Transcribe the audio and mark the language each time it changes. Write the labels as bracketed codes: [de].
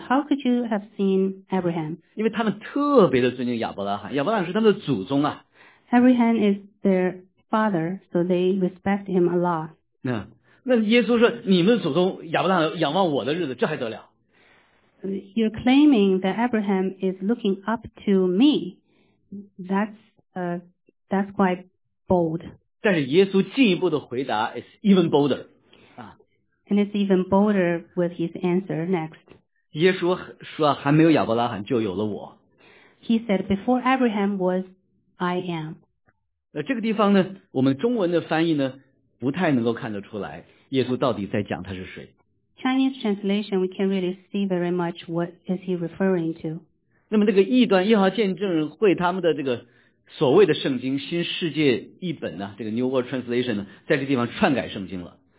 [en] How could you have seen Abraham? [zh] 因为他们特别的尊敬亚伯拉罕，亚伯拉罕是他们的祖宗啊。 [en] Abraham is their father, so they respect him a lot. [zh] 那耶稣说，你们祖宗亚伯拉罕仰望我的日子，这还得了？ [en] You're claiming that Abraham is looking up to me. That's quite bold. [zh] 但是耶稣进一步的回答 [en] is even bolder. And it's even bolder with his answer next. [zh] 耶稣说还没有亚伯拉罕就有了我。 [en] He said before Abraham was I am. [zh] 这个地方呢，我们中文的翻译呢，不太能够看得出来耶稣到底在讲他是谁。 [en] Chinese translation, we can't really see very much what is he referring to. [zh] 那么这个异端一号见证会他们的这个所谓的圣经新世界译本呢，这个 New World Translation 呢，在这地方篡改圣经了。